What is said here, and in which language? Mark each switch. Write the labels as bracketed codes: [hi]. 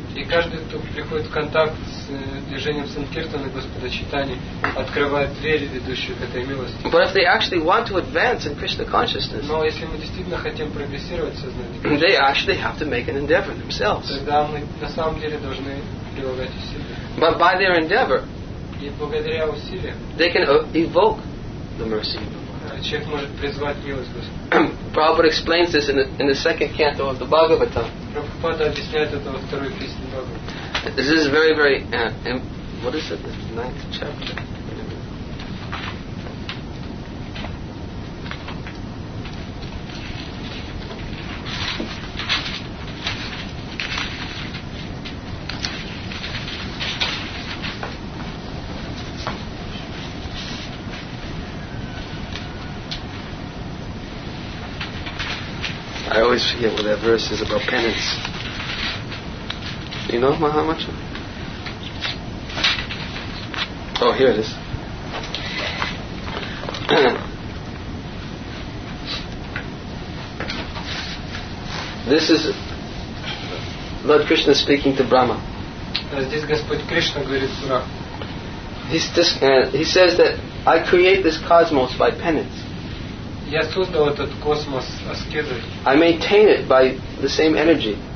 [ru] И каждый, кто приходит в контакт с движением Санкиртана Господа Чайтани, открывает двери, ведущие к этой милости. [en] But if they actually want to advance in Krishna consciousness, [ru] но если мы действительно хотим прогрессировать в сознании, [en] they actually have to make an endeavor themselves. [ru] Тогда мы на самом деле должны прилагать усилия. [en] But by their endeavor, [ru] и благодаря усилиям, [en] they can evoke the mercy. [ru] Человек может призвать милость Господа. [en] Prabhupada explains this in the second canto of the Bhagavatam. [ru] Prabhupada объясняет это во второй песне Бхагавата. [en] This is very, very... what is it? The ninth chapter? I always forget what that verse is about penance. You know, Mahamacha? Oh, here it is. This is Lord Krishna speaking to Brahma. [ru] Здесь Господь Кришна говорит с Брахмой. [en] He says that I create this cosmos by penance. [ru] Я создал этот космос аскезой. [en] I maintain it by the same energy.